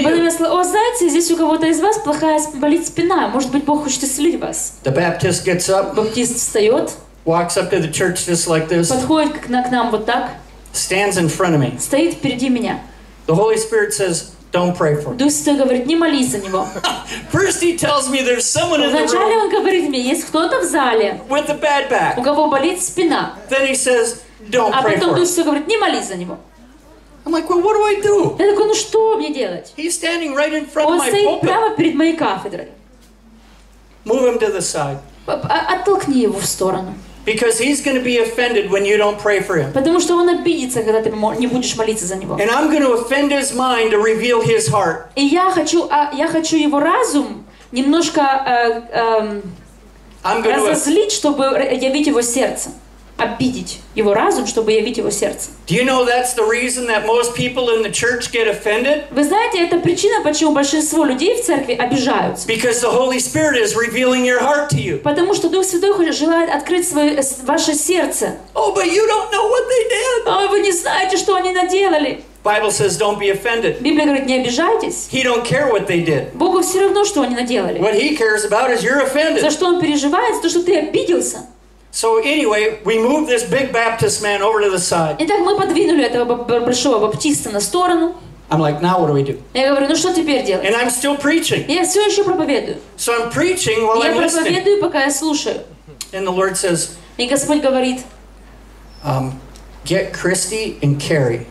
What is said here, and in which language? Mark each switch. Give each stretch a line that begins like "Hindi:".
Russian: И потом сказал: "О, знаете, здесь у кого-то из вас плохая болит спина. Может быть, Бог хочет исцелить вас."
English: The Baptist gets up.
Russian: Баптист встает.
English: Walks up to the church just like this.
Russian: Подходит к нам вот так.
English: Stands in front of me.
Russian: Стоит впереди меня.
English: The Holy Spirit says, "Don't pray for him."
Russian: Дух Святой говорит: "Не молись за него."
English: First he tells me there's someone in the room.
Russian: Вначале он говорит мне: "Есть кто-то в зале."
English: With a bad back.
Russian: У кого болит спина.
English: Then he says. Don't
Russian: а потом Дух Святой говорит, не молись за него.
English: I'm like, well, what do I do?
Russian: Я такой, ну что мне делать?
English: He's standing right in front
Russian: Он
English: of my
Russian: стоит
English: pulpit.
Russian: Прямо перед моей кафедрой.
English: Move him to the side.
Russian: Оттолкни его в сторону.
English: Because he's going to be offended when you don't pray for him.
Russian: Потому что он обидится, когда ты не будешь молиться за него.
English: And I'm going to offend his mind to reveal his heart.
Russian: И я хочу его разум немножко разозлить, чтобы явить его сердце. Обидеть его разум, чтобы явить его сердце.
English: Do you know that's the reason that most people in the church get offended?
Russian: Вы знаете, это причина, почему большинство людей в церкви обижаются.
English: Because the Holy Spirit is revealing your heart to you.
Russian: Потому что Дух Святой желает открыть ваше сердце.
English: Oh, but you don't know what they did.
Russian: А вы не знаете, что они наделали.
English: Bible says, "Don't be offended."
Russian: Библия говорит, не обижайтесь.
English: He don't care what they did.
Russian: Богу все равно, что они наделали.
English: What he cares about is you're offended.
Russian: За что он переживает, то что ты обиделся.
English: So anyway, we moved this big Baptist man over to the side.
Russian: Итак, мы подвинули этого большого баптиста на сторону.
English: I'm like, now what do we do?
Russian: Я говорю, ну что теперь делать?
English: And I'm still preaching.
Russian: Я все еще проповедую.
English: So I'm preaching while I'm listening.
Russian: Я проповедую, пока я слушаю.
English: And the Lord says.
Russian: И Господь говорит.
English: Get Christy and Carrie.